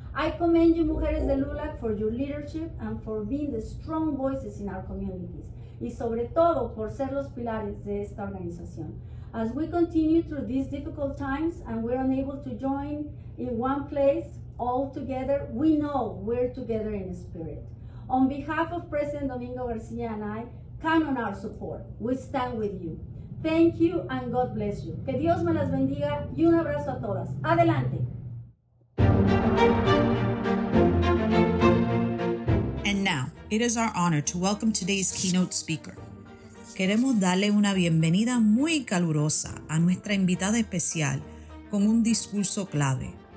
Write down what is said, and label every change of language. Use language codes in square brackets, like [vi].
[en] I commend you, Mujeres de LULAC, for your leadership and for being the strong voices in our communities, [es] y sobre todo por ser los pilares de esta organización. [en] As we continue through these difficult times and we're unable to join in one place all together, we know we're together in spirit. On behalf of President Domingo Garcia and I, count on our support. We stand with you. Thank you and God bless you. [es] Que Dios me las bendiga y un abrazo a todas. Adelante. [en] And now, it is our honor to welcome today's keynote speaker. [es] Queremos darle una bienvenida muy calurosa a nuestra invitada especial con un discurso clave.